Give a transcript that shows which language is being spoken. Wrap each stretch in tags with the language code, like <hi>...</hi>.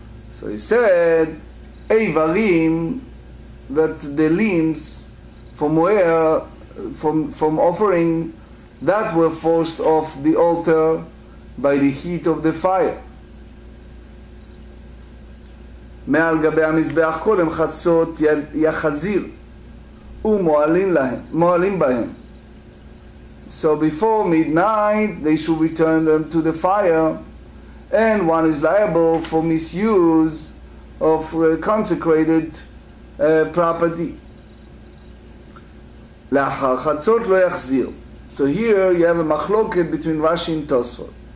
<en>So he said, Eivarim, that the limbs from where, from offering, that were forced off the altar by the heat of the fire.</en> <he>מעל גבי המזבח קודם חצות יחזיר ומועלים להם, מועלים בהם.</he> <en>So before midnight they should return them to the fire, and one is liable for misuse of consecrated property.</en> <he>לאחר חצות לא יחזיר.</he> <en>So here you have a מחלוקת between Rashi and Tosfot.</en>